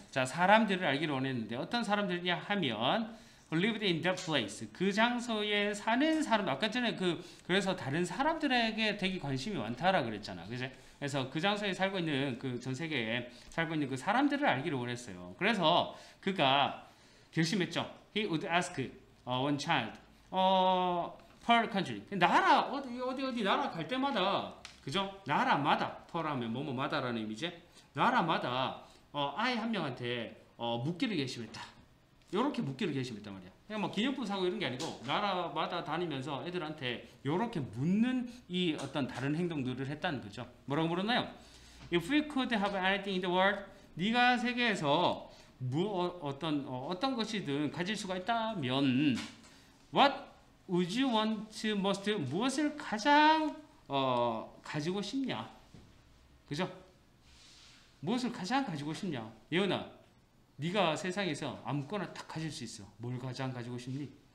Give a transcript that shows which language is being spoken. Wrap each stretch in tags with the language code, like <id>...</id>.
<ko>자, 사람들을 알기를 원했는데 어떤 사람들이냐 하면</ko> <en>who lived in that place.</en> <ko>그 장소에 사는 사람. 아까 전에 그래서 다른 사람들에게 되게 관심이 많다라고 그랬잖아. 그치? 그래서 그 장소에 살고 있는 그 전 세계에 살고 있는 그 사람들을 알기를 원했어요. 그래서 그가 결심했죠.</ko> <en>He would ask one child per country.</en> <ko>나라 어디 나라 갈 때마다 그죠? 나라마다 per 하면 뭐뭐마다라는 의미지. 나라마다 아이 한 명한테 묻기를 결심했다. 요렇게 묻기를 결심했단 말이야. 그냥 뭐 기념품 사고 이런 게 아니고 나라마다 다니면서 애들한테 요렇게 묻는 이 어떤 다른 행동들을 했다는 거죠. 뭐라고 물었나요?</ko> <en>If we could have anything in the world,</en> <ko>네가 세계에서 어떤 것이든 가질 수가 있다면</ko> <en>what would you want most?</en> <ko>무엇을 가장 가지고 싶냐? 그죠? 무엇을 가장 가지고 싶냐? 예은아, 네가 세상에서 아무거나 딱 가질 수 있어. 뭘 가장 가지고 싶니?</ko>